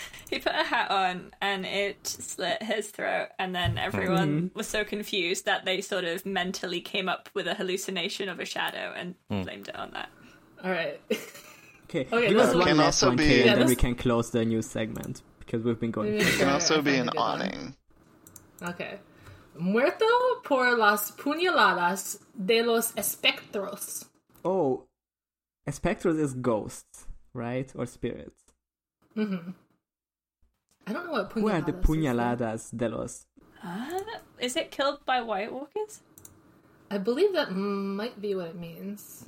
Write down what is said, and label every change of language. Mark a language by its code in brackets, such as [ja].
[en] He put a hat on and it slit his throat, and then everyone mm-hmm. was so confused that they sort of mentally came up with a hallucination of a shadow and blamed it on that. Alright. Okay, give us one last one, Kay, and then we can close the new segment because we've been going. It can also be an awning. Okay. [es] Muerto por las puñaladas de los espectros. [en] Oh, espectros is ghosts, right? Or spirits. Mm-hmm. I don't know what puñaladas is. Where are the [es] puñaladas de los... [en] Is it killed by White Walkers? I believe that might be what it means.